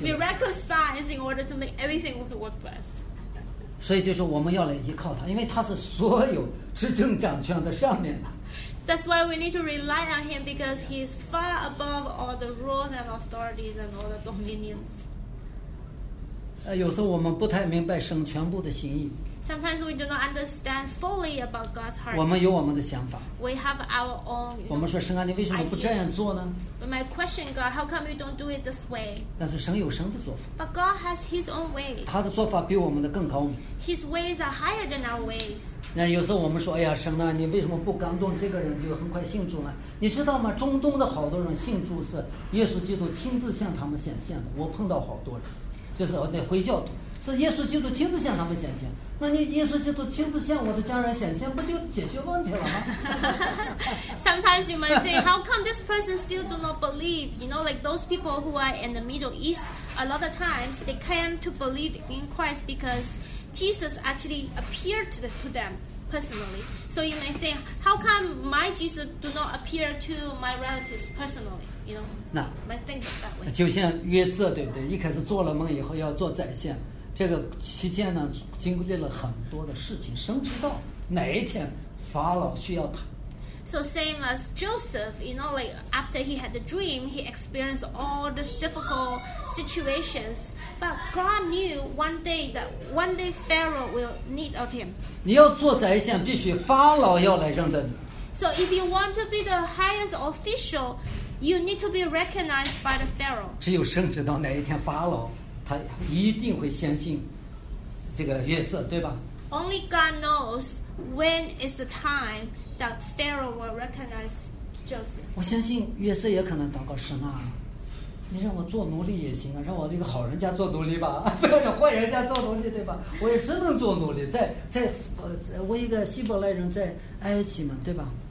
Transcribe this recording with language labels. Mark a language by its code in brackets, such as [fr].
[en] Miraculous signs in order to make everything work best. [zh] 所以就是我们要来依靠他，因为他是所有执政掌权的上面的。 [en] That's why we need to rely on him because he is far above all the rules and authorities and all the dominions. [zh] 有时候我们不太明白神全部的心意。 [en] Sometimes we do not understand fully about God's heart. [zh] 我们有我们的想法。 [en] We have our own. [zh] 我们说神啊，你为什么不这样做呢 [en] ？We might question God, how come you don't do it this way? [zh] 但是神有神的做法。 [en] But God has His own way. [zh] 他的做法比我们的更高明。 [en] His ways are higher than our ways. [zh] 那有时候我们说，哎呀，神啊，你为什么不感动这个人就很快信主呢？你知道吗？中东的好多人信主是耶稣基督亲自向他们显现的。我碰到好多人，就是那回教徒，是耶稣基督亲自向他们显现。那你耶稣基督亲自向我的家人显现，不就解决问题了吗 [en] ？Sometimes you might say, how come this person still do not believe? You know, like those people who are in the Middle East, a lot of times they came to believe in Christ because Jesus actually appeared to them. personally. So you may say, how come my Jesus do not appear to my relatives personally? You know, might think that way. [zh] 就像约瑟对不对？一开始做了梦以后要做宰相，这个期间呢，经历了很多的事情，生知道哪一天法老需要他。 [en] So same as Joseph, you know, like after he had the dream, he experienced all these difficult situations. But God knew one day Pharaoh will need of him. [zh] 你要做宰相，必须法老要来认得你。 [en] So if you want to be the highest official, you need to be recognized by the Pharaoh. [zh] 只有圣知道哪一天法老他一定会相信这个约瑟，对吧？ [en] Only God knows when is the time. That Pharaoh will recognize Joseph. [zh] 我相信约瑟也可能祷告神啊，你让我做奴隶也行啊，让我这个好人家做奴隶吧，不要让坏人家做奴隶，对吧？我也只能做奴隶，在我一个希伯来人在埃及嘛，对吧？